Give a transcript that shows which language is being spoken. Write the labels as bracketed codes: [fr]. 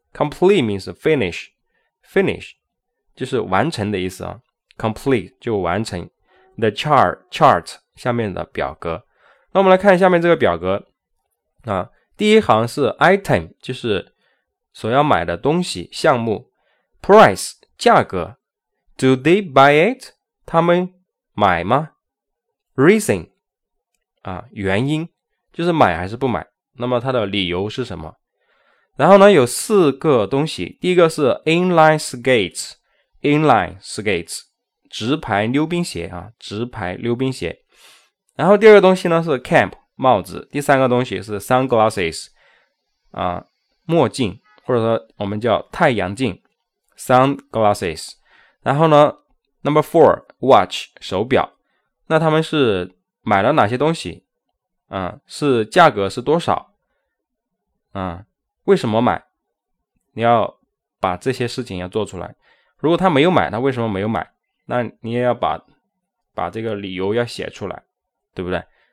[en] complete means finish [zh] 就是完成的意思啊。 complete 就完成。the chart 下面的表格，那我们来看下面这个表格啊。第一行是 item， 就是所要买的东西项目。 price 价格。 [en] do they buy it [zh] 他们买吗？ reason原因就是买还是不买，那么它的理由是什么。然后呢有四个东西，第一个是 inline skates 直排溜冰鞋啊，直排溜冰鞋。然后第二个东西呢是 cap 帽子，第三个东西是 sunglasses 墨镜，或者说我们叫太阳镜 sunglasses。然后呢 [en] number four watch [zh] 手表。那他们是买了哪些东西是价格是多少为什么买，你要把这些事情要做出来。如果他没有买，他为什么没有买，那你也要把这个理由要写出来，对不对？